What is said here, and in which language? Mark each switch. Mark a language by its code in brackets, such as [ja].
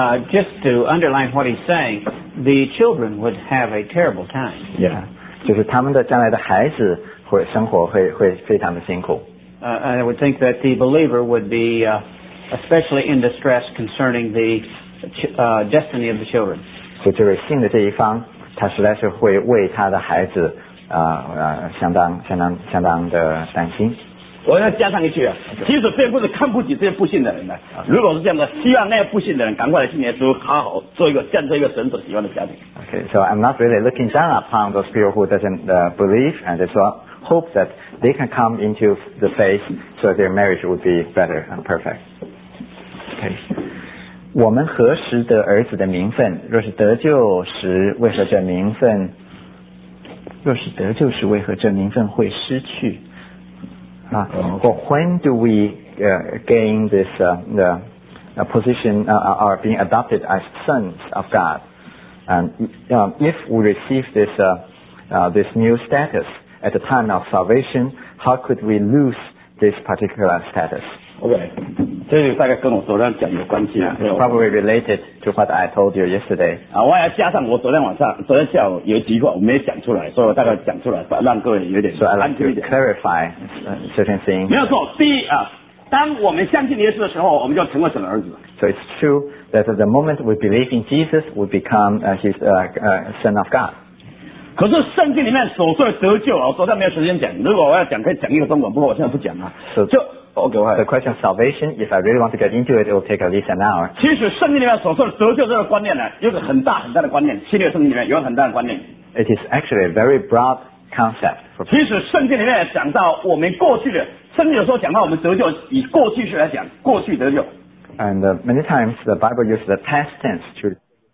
[en] Just to underline what he's saying, the children would have a terrible time. [zh] Yeah, 就是他们的将来的孩子会生活会非常的辛苦。 [en] I would think that the believer would be especially in distress concerning the destiny of the children. [zh] 所以这位信的这一方，他实在是会为他的孩子相当的担心。我要加上一句啊，即使这些不是看不起这些不信的人呢，如果是这样的，希望那些不信的人赶快来信耶稣，好好做一个建设一个神所喜欢的家庭。 [en] Okay, so I'm not really looking down upon those people who doesn't believe, and so hope that they can come into the faith, so their marriage would be better and perfect. [zh] Okay, 我们何时得儿子的名分？若是得救时，为何这名分？若是得救时，为何这名分会失去？ [en] When do we gain this position or being adopted as sons of God? And if we receive this this new status at the time of salvation, how could we lose this particular status? [zh] Okay, 这就大概跟我昨天讲有关系啊。 [en] Probably related to what I told you yesterday. [zh] 啊，我要加上我昨天下午有几句话我没讲出来，所以我大概讲出来，让各位有点安全一点。 [en] So I'd like to clarify certain things. [zh] 没有错，第一啊，当我们相信耶稣的时候，我们就成为神的儿子。 [en] So it's true that at the moment we believe in Jesus, we become his son of God. [zh] 可是圣经里面所说的得救啊，我昨天没有时间讲。如果我要讲，可以讲一个中文，不过我现在不讲啊。 [en] So, [zh] 就 [en] Okay, the question of salvation, if I really want to get into it, it will take at least an hour. [zh] 其实圣经里面所说的得救这个观念呢，有个很大很大的观念，新约圣经里面有很大的观念。 [en] It is actually a very broad concept. [zh] 其实圣经里面讲到我们过去的，圣经有时候讲到我们得救，以过去式来讲，过去得救。 [en] And many times the Bible uses the past tense to